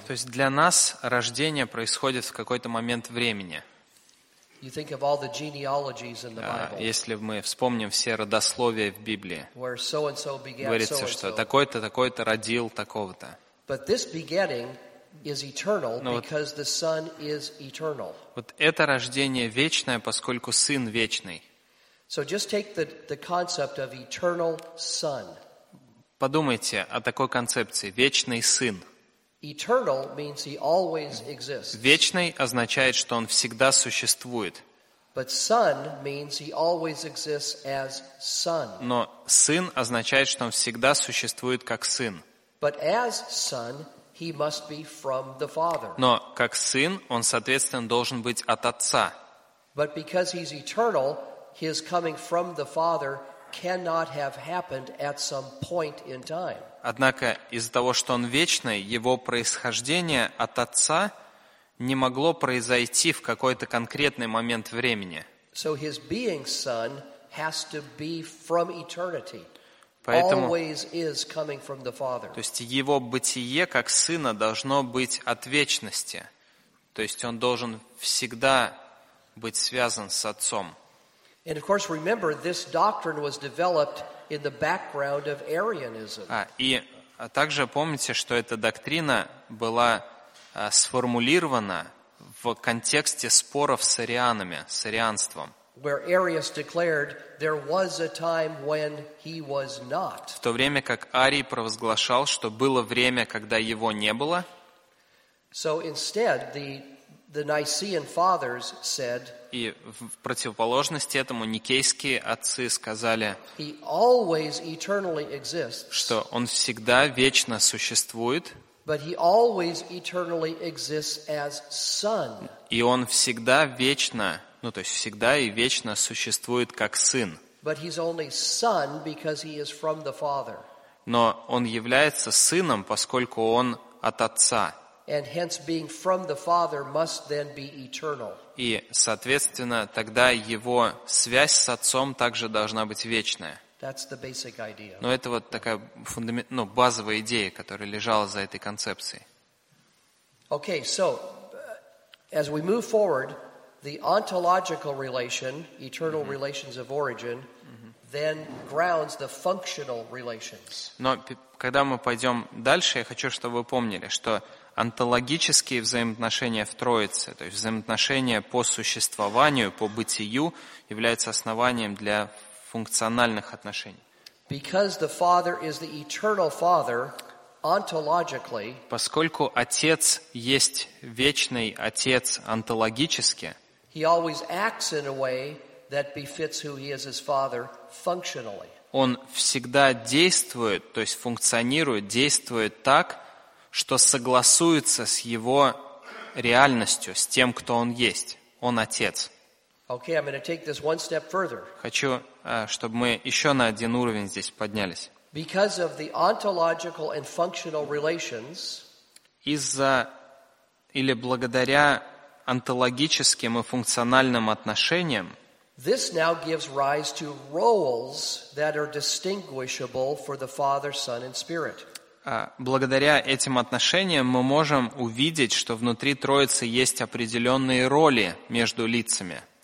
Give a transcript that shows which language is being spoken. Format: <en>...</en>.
<ru>То есть для нас рождение происходит в какой-то момент времени.</ru> <en>You think of all the genealogies in the Bible.</en> <ru>Если мы вспомним все родословия в Библии.</ru> <en>Where so and so begat so.</en> <ru>Говорится, что такой-то родил такого-то.</ru> <en>But this begetting is eternal because the Son is eternal.</en> <ru>Вот это рождение вечное, поскольку Сын вечный.</ru> <en>So just take the concept of eternal Son.</en> <ru>Подумайте о такой концепции. Вечный Сын.</ru> <en>Eternal means he always exists.</en> <ru>Вечный означает, что он всегда существует.</ru> <en>But Son means he always exists as Son.</en> <ru>Но Сын означает, что он всегда существует как Сын.</ru> <en>But as Son, he must be from the Father.</en> <ru>Но как Сын, он, соответственно, должен быть от Отца.</ru> <en>But because he's eternal, his coming from the Father cannot have happened at some point in time.</en> <ru>Однако из-за того, что он вечный, его происхождение от Отца не могло произойти в какой-то конкретный момент времени.</ru> <en>So his being Son has to be from eternity.</en> <ru>Поэтому,</ru> <en>always is coming from the Father.</en> <ru>То есть его бытие как Сына должно быть от вечности. То есть он должен всегда быть связан с Отцом.</ru> <en>And of course, remember, this doctrine was developed in the background of Arianism.</en> <ru>И также помните, что эта доктрина была сформулирована в контексте споров с арианами, с арианством.</ru> <en>Where Arius declared there was a time when he was not.</en> <ru>В то время как Арий провозглашал, что было время, когда его не было.</ru> <en>So instead, the Nicene fathers said.</en> <ru>И в противоположность этому никейские отцы сказали,</ru> <en>he always eternally exists,</en> <ru>что он всегда вечно существует,</ru> <en>but he always eternally exists as Son.</en> <ru>И он всегда вечно, ну то есть всегда и вечно существует как Сын.</ru> <en>But he's only Son because he is from the Father.</en> <ru>Но он является Сыном, поскольку он от Отца.</ru> <en>And hence being from the Father must then be eternal.</en> <ru>И, соответственно, тогда его связь с Отцом также должна быть вечная.</ru> <en>That's the basic idea.</en> <ru>Но это вот такая базовая идея, которая лежала за этой концепцией.</ru> <en>Okay, so as we move forward, the ontological relation, eternal mm-hmm. relations of origin, then grounds the functional relations.</en> <ru>Но когда мы пойдем дальше, я хочу, чтобы вы помнили, что онтологические взаимоотношения в Троице, то есть взаимоотношения по существованию, по бытию, являются основанием для функциональных отношений.</ru> <en>Because the Father is the eternal Father, ontologically,</en> <ru>поскольку Отец есть вечный Отец онтологически,</ru> <en>he always acts in a way that befits who he is as Father functionally.</en> <ru>Он всегда действует, то есть функционирует, действует так, что согласуется с его реальностью, с тем, кто он есть. Он Отец.</ru> <en>Okay, I'm going to take this one step further.</en> <ru>Хочу, чтобы мы еще на один уровень здесь поднялись.</ru> <en>Because of the ontological and functional relations,</en> <ru>из-за или благодаря онтологическим и функциональным отношениям,</ru> <en>this now gives rise to roles that are distinguishable for the Father, Son, and Spirit.</en> <ru>Благодаря этим отношениям мы можем увидеть, что внутри Троицы есть определенные роли между лицами.</ru>